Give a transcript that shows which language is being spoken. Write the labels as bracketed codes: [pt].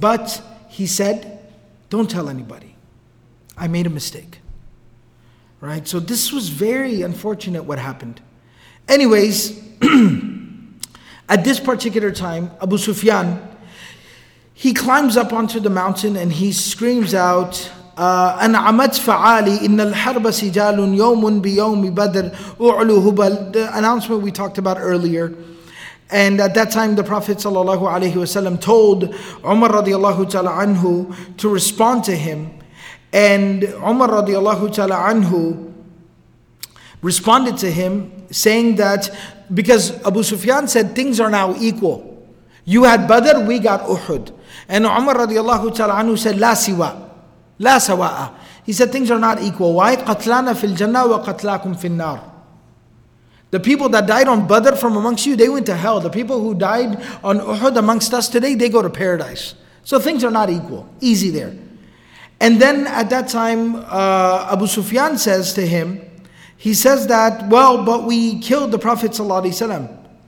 [en] But he said, don't tell anybody. I made a mistake. Right? So this was very unfortunate what happened. Anyways, at this particular time, Abu Sufyan, he climbs up onto the mountain and he screams out, [ar] أنعمت فعالي إن الحرب سجال يوم بيوم بدر أعلو هبل. [en] The announcement we talked about earlier. And at that time, the Prophet ﷺ told Umar radiallahu ta'ala anhu to respond to him. And Umar radiallahu ta'ala anhu responded to him saying that, because Abu Sufyan said, things are now equal. You had Badr, we got Uhud. And Umar radiallahu ta'ala anhu said, [ar] لا سواء. لا سواء. [en] He said, things are not equal. Why? [ar] قتلانا في الجنة وقتلاكم في النار. [en] The people that died on Badr from amongst you, they went to hell. The people who died on Uhud amongst us today, they go to paradise. So things are not equal. Easy there. And then at that time, Abu Sufyan says to him, he says that, well, but we killed the Prophet ﷺ.